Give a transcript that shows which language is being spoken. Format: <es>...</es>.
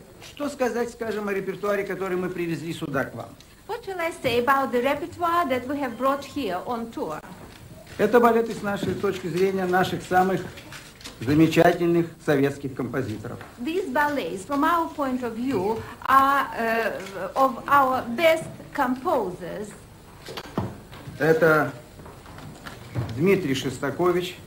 <ru>Что сказать, скажем, о репертуаре, который мы привезли сюда к вам?</ru> <en>What shall I say about the repertoire that we have brought here on tour?</en> <ru>Это балеты с нашей точки зрения наших самых замечательных советских композиторов.</ru> <en>These ballets, from our point of view, are of our best composers.</en> <ru>Это Дмитрий Шостакович.</ru>